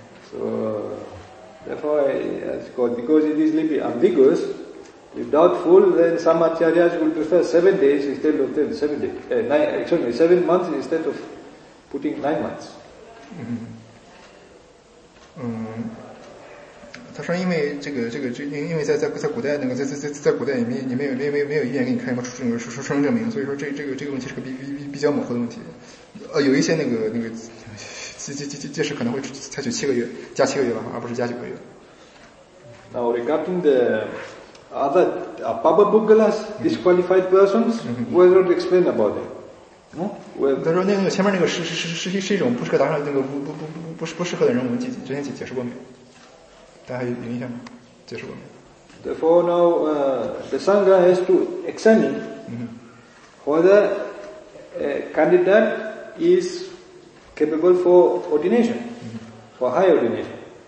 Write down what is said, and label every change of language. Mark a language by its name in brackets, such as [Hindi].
[English] So therefore it's called, because it is a little bit ambiguous, if doubtful, then some acharyas will prefer 7 days instead of 7 days. Actually, 7 months instead of putting 9 months. [Chinese] 他说：“因为因为在古代那个在古代里面没有医院给你看什么出生证明，所以说这个问题是个比较模糊的问题。有一些那个即使可能会采取加七个月吧，而不是加九个月。” [English] Now regarding the other Baba Bugalas disqualified persons, we don't explain about it. [Chinese] 他说前面那个是一种不适合达上那个不适合的人，我们昨天解释过没有？大家有印象吗？解释过没有？ [English] Therefore now the Sangha has to examine whether a candidate is capable for ordination, for high ordination.